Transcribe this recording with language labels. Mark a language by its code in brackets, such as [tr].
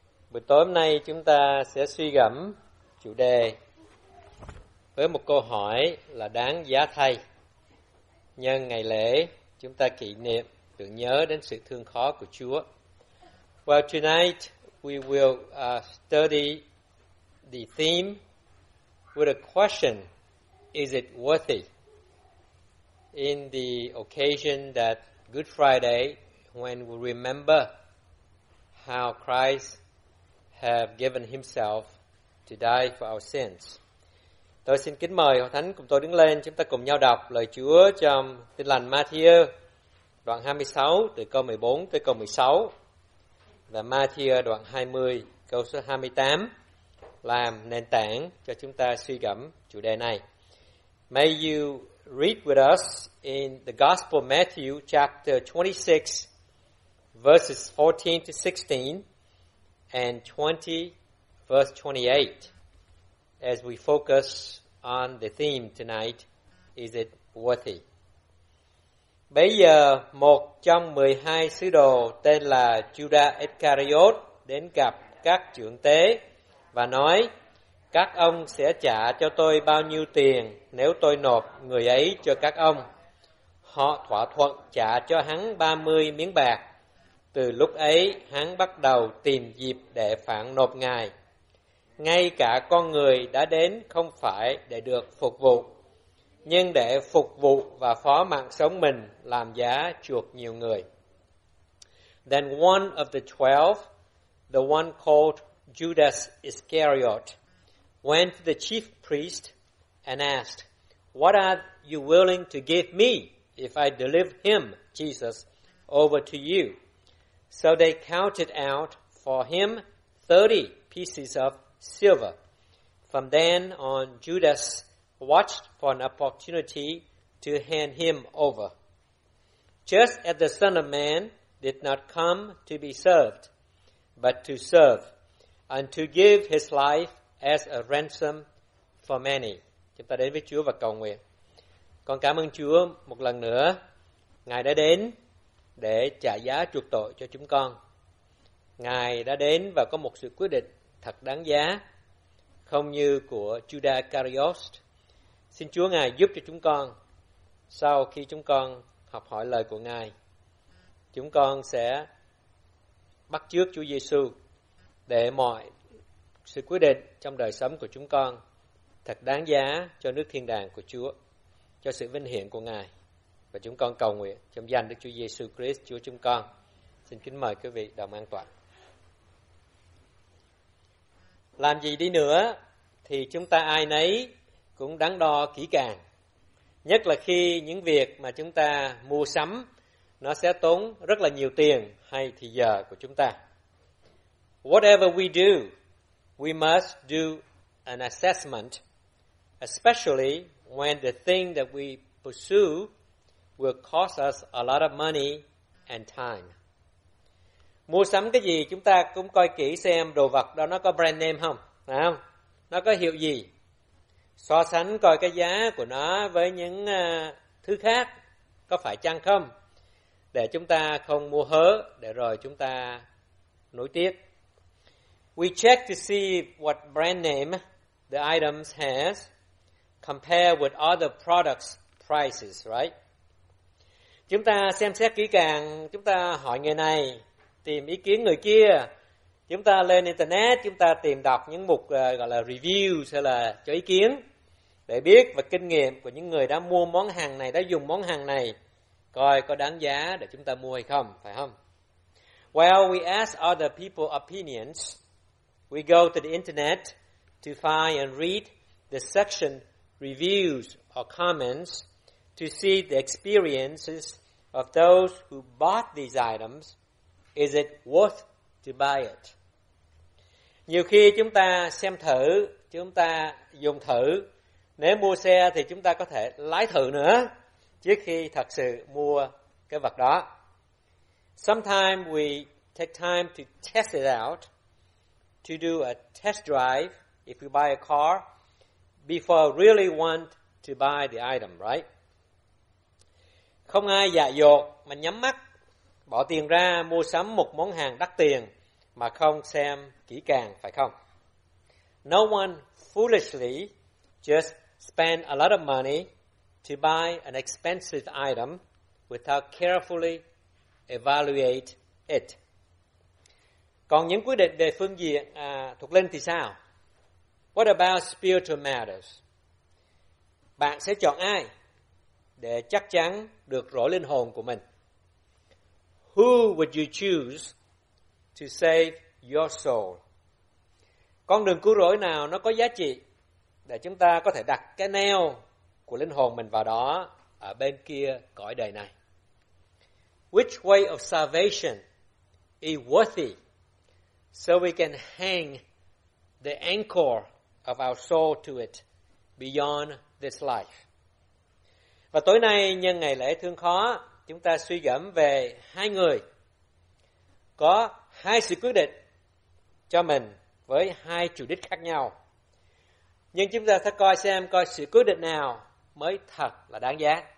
[vi] Buổi tối hôm nay chúng ta sẽ suy gẫm chủ đề với một câu hỏi là đáng giá thay. Nhân ngày lễ, chúng ta kỷ niệm tưởng nhớ đến sự thương khó của Chúa. [en] Well, tonight we will study the theme with a question: is it worthy? In the occasion that Good Friday, when we remember how Christ have given himself to die for our sins. [vi] Tôi xin kính mời Hội Thánh cùng tôi đứng lên, chúng ta cùng nhau đọc lời Chúa trong Tin Lành Matthew đoạn 26 từ câu 14 tới câu 16 và Matthew đoạn 20 câu số 28 làm nền tảng cho chúng ta suy gẫm chủ đề này. [en] May you read with us in the Gospel Matthew chapter 26 verses 14 to 16 and 20 verse 28 as we focus on the theme tonight, is it worthy? [vi] Bây giờ một trong 12 sứ đồ tên là Judas Iscariot đến gặp các trưởng tế và nói: các ông sẽ trả cho tôi bao nhiêu tiền nếu tôi nộp người ấy cho các ông? Họ thỏa thuận trả cho hắn 30 miếng bạc. Từ lúc ấy hắn bắt đầu tìm dịp để phản nộp ngài. Ngay cả con người đã đến không phải để được phục vụ, nhưng để phục vụ và phó mạng sống mình làm giá chuộc nhiều người. [en] Then one of the 12, the one called Judas Iscariot, went to the chief priest and asked, "What are you willing to give me if I deliver him, Jesus, over to you?" So they counted out for him 30 pieces of silver. From then on, Judas watched for an opportunity to hand him over. Just as the Son of Man did not come to be served, but to serve, and to give his life as a ransom for many. [vi] Chúng ta đến với Chúa và cầu nguyện. Con cảm ơn Chúa một lần nữa. Ngài đã đến để trả giá chuộc tội cho chúng con. Ngài đã đến và có một sự quyết định thật đáng giá, không như của Judas Iscariot. Xin Chúa Ngài giúp cho chúng con, sau khi chúng con học hỏi lời của Ngài, chúng con sẽ bắt chước Chúa Giêsu để mọi sự quyết định trong đời sống của chúng con thật đáng giá cho nước thiên đàng của Chúa, cho sự vinh hiển của Ngài. Và chúng con cầu nguyện trong danh Đức Chúa Giêsu Christ, Chúa chúng con. Xin kính mời quý vị đồng an toàn. Làm gì đi nữa thì chúng ta ai nấy cũng đắn đo kỹ càng, nhất là khi những việc mà chúng ta mua sắm nó sẽ tốn rất là nhiều tiền hay thì giờ của chúng ta. [en] Whatever we do, we must do an assessment, especially when the thing that we pursue will cost us a lot of money and time. [vi] Mua sắm cái gì chúng ta cũng coi kỹ xem đồ vật đó nó có brand name không, phải không? Nó có hiệu gì? So sánh coi cái giá của nó với những thứ khác có phải chăng không? Để chúng ta không mua hớ, để rồi chúng ta nối tiếc. [en] We check to see what brand name the items has compared with other products' prices, right? [vi] Chúng ta xem xét kỹ càng, chúng ta hỏi người này, tìm ý kiến người kia, chúng ta lên internet, chúng ta tìm đọc những mục gọi là review hay là cho ý kiến để biết và kinh nghiệm của những người đã mua món hàng này, đã dùng món hàng này, coi có đáng giá để chúng ta mua hay không, phải không? [en] Well, we ask other people's opinions. We go to the internet to find and read the section reviews or comments to see the experiences of those who bought these items. Is it worth to buy it? [vi] Nhiều khi chúng ta xem thử, chúng ta dùng thử. Nếu mua xe thì chúng ta có thể lái thử nữa trước khi thật sự mua cái vật đó. [en] Sometimes we take time to test it out, to do a test drive if we buy a car before really want to buy the item, right? [vi] Không ai dại dột mà nhắm mắt bỏ tiền ra mua sắm một món hàng đắt tiền mà không xem kỹ càng, phải không? [en] No one foolishly just spend a lot of money to buy an expensive item without carefully evaluate it. [vi] Còn những quyết định về phương diện thuộc linh thì sao? [en] What about spiritual matters? [vi] Bạn sẽ chọn ai để chắc chắn được rõ linh hồn của mình? [en] Who would you choose to save your soul? [vi] Con đường cứu rỗi nào nó có giá trị để chúng ta có thể đặt cái neo của linh hồn mình vào đó ở bên kia cõi đời này? [en] Which way of salvation is worthy so we can hang the anchor of our soul to it beyond this life? [vi] Và tối nay nhân ngày lễ thương khó, chúng ta suy gẫm về hai người có hai sự quyết định cho mình với hai chủ đích khác nhau. Nhưng chúng ta sẽ coi sự quyết định nào mới thật là đáng giá.